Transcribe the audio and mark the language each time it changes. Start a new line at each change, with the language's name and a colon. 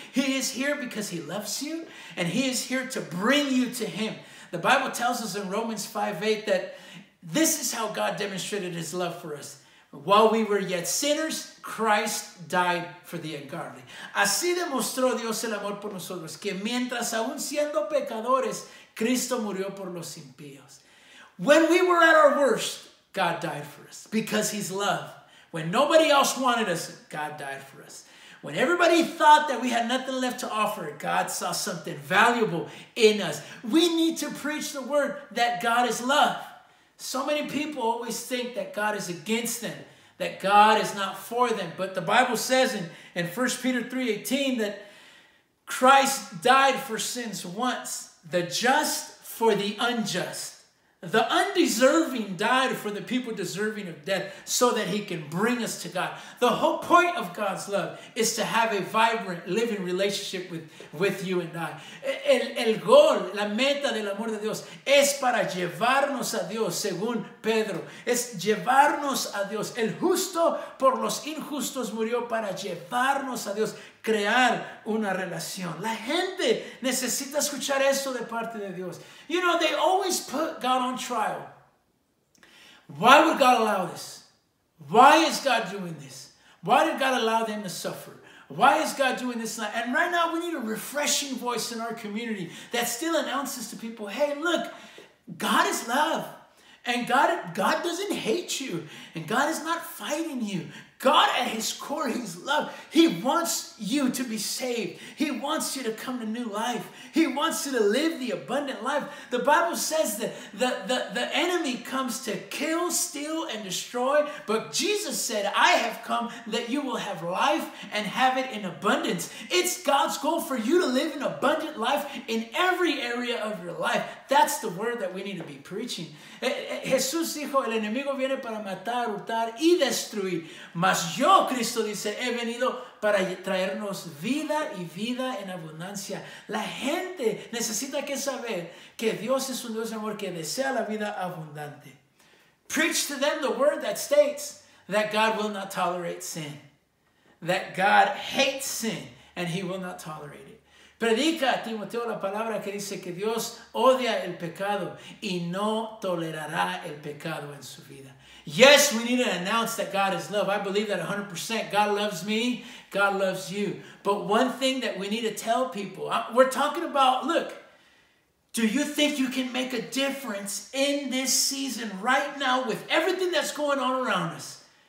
English: He is here because he loves you, and he is here to bring you to him. The Bible tells us in Romans 5:8 that this is how God demonstrated his love for us. While we were yet sinners, Christ died for the ungodly.
Spanish: Así demostró Dios el amor por nosotros, que mientras aún siendo pecadores, Cristo murió por los impíos.
English: When we were at our worst, God died for us because he's love. When nobody else wanted us, God died for us. When everybody thought that we had nothing left to offer, God saw something valuable in us. We need to preach the word that God is love. So many people always think that God is against them, that God is not for them. But the Bible says in 1 Peter 3:18 that Christ died for sins once, the just for the unjust. The undeserving died for the people deserving of death so that he can bring us to God. The whole point of God's love is to have a vibrant, living relationship with you and I.
Spanish: El gol, la meta del amor de Dios es para llevarnos a Dios, según Pedro. Es llevarnos a Dios. El justo por los injustos murió para llevarnos a Dios, crear una relación. La gente necesita escuchar esto de parte de Dios.
English: You know, they always put God on trial. Why would God allow this? Why is God doing this? Why did God allow them to suffer? Why is God doing this? And right now we need a refreshing voice in our community that still announces to people, hey, look, God is love. And God doesn't hate you. And God is not fighting you. God at his core, he's love. He wants you to be saved. He wants you to come to new life. He wants you to live the abundant life. The Bible says that the enemy comes to kill, steal, and destroy. But Jesus said, I have come that you will have life and have it in abundance. It's God's goal for you to live an abundant life in every area of your life. That's the word that we need to be preaching.
Spanish: Jesús dijo, el enemigo viene para matar, hurtar y destruir. Mas yo, Cristo dice, he venido para traernos vida y vida en abundancia. La gente necesita que saber que Dios es un Dios de amor que desea la vida abundante.
English: Preach to them the word that states that God will not tolerate sin. That God hates sin and he will not tolerate it.
Spanish: Predica a Timoteo la palabra que dice que Dios odia el pecado y no tolerará el pecado en su vida.
English: Yes, we need to announce that God is love. I believe that 100%. God loves me. God loves you. But one thing that we need to tell people, we're talking about, look, do you think you can make a difference in this season right now with everything that's going on around us?